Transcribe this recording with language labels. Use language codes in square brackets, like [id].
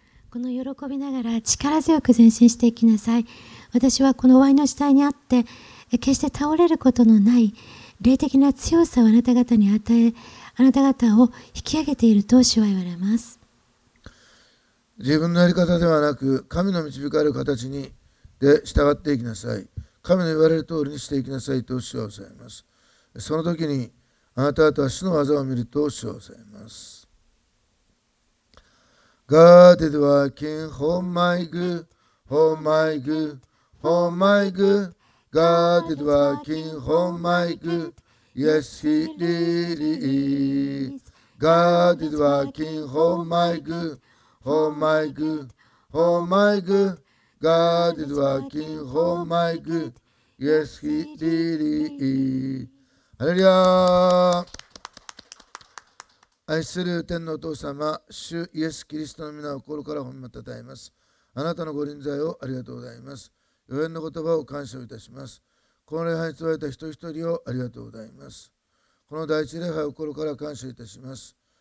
[ja] この喜びながら力強く前進していきなさい。私はこのワインの下にあって、決して倒れることのない霊的な強さをあなた方に与え、あなた方を引き上げていると主は言われます。自分のやり方ではなく、神の導かれる形にで従っていきなさい。神の言われる通りにしていきなさいと主は仰せます。その時に、あなた方は主の技を見ると主は仰せます。 [en] God is working for my good, for my good, for my good.God is working for my good.Yes, he really is.God is working for my good, for my good, for my good.God is working for my good.Yes, he really is. [ja] ハレルヤー。愛する天のお父様、主イエス・キリストの皆を心から褒めたたえます。あなたのご臨在をありがとうございます。予言の言葉を感謝いたします。この礼拝に集われた一人一人をありがとうございます。この第一礼拝を心から感謝いたします。